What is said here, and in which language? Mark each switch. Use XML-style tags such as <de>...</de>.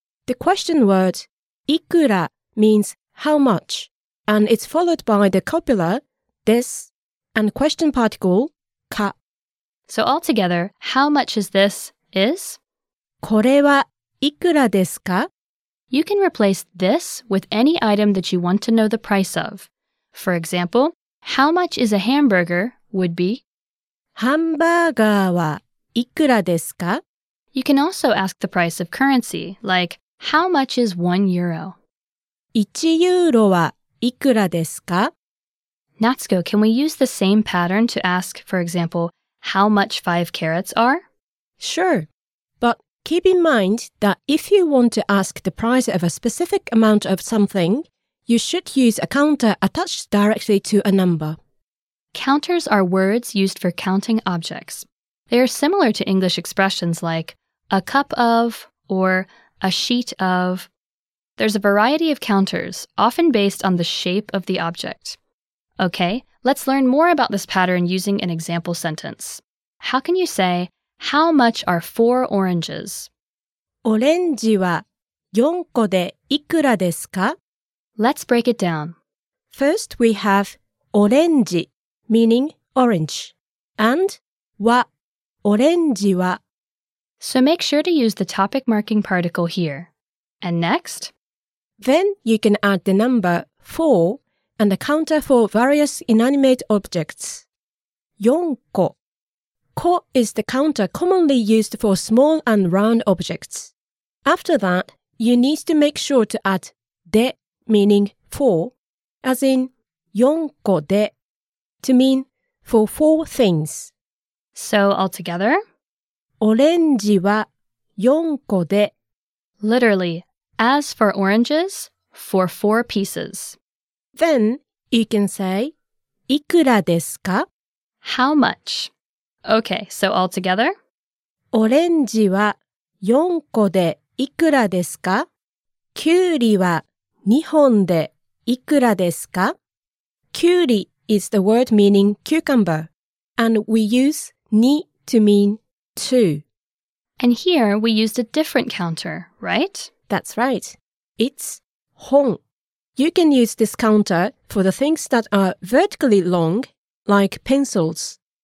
<en>The question word, いくら means how much, and it's followed by the copula, this, and question particle, か. So altogether, how much is this is?</en> <ja>これはいくらですか?</ja> <en>You can replace this with any item that you want to know the price of. For example, how much is a hamburger would be?</en> <ja>ハンバーガーはいくらですか?</ja> <en>You can also ask the price of currency, like, how much is 1 euro?</en> <ja>1ユーロはいくらですか?</ja> <en>Natsuko, can we use the same pattern to ask, for example, how much 5 carrots are? Sure, but keep in mind that if you want to ask the price of a specific amount of something, you should use a counter attached directly to a number. Counters are words used for counting objects. They are similar to English expressions like a cup of or a sheet of. There's a variety of counters, often based on the shape of the object. Okay, let's learn more about this pattern using an example sentence. How can you say, how much are 4 oranges?</en> <ja>オレンジは4個でいくらですか?</ja> <en>Let's break it down. First, we have オレンジ。 Meaning orange. And wa, orange wa. So make sure to use the topic marking particle here. And next? Then you can add the number 4 and the counter for various inanimate objects. 4 ko. Ko is the counter commonly used for small and round objects. After that, you need to make sure to add de, meaning 4, as in 4 ko de. To mean for 4 things. So altogether,</en> <ja>オレンジは4個で</ja> <en>Literally, as for oranges, for 4 pieces. Then you can say,</en> <ja>いくらですか?</ja> <en>How much? Okay, so altogether,</en> <ja>オレンジは4個でいくらですか? キュウリは2本でいくらですか?</ja> <en>キュウリis the word meaning cucumber, and we use ni to mean two. And here we used a different counter, right? That's right. It's hon. You can use this counter for the things that are vertically long, like pencils.</en>